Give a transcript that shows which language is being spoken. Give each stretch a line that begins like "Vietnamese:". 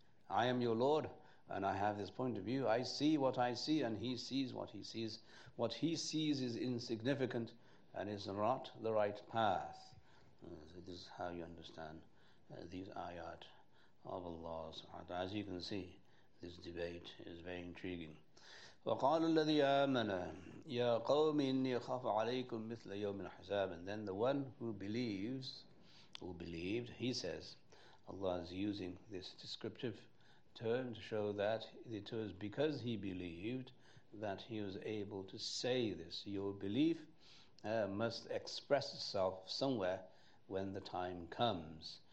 English: I am your Lord and I have this point of view. I see what I see and he sees what he sees. What he sees is insignificant and is not the right path. So this is how you understand these ayat of Allah subhanahu wa ta'ala. As you can see, this debate is very intriguing.
Arabic: وقال الذي آمن يا قوم إني خاف عليكم مثل يوم الحساب.
English: And then the one who believed, he says, Allah is using this descriptive term to show that it was because he believed that he was able to say this. Your belief must express itself somewhere when the time comes.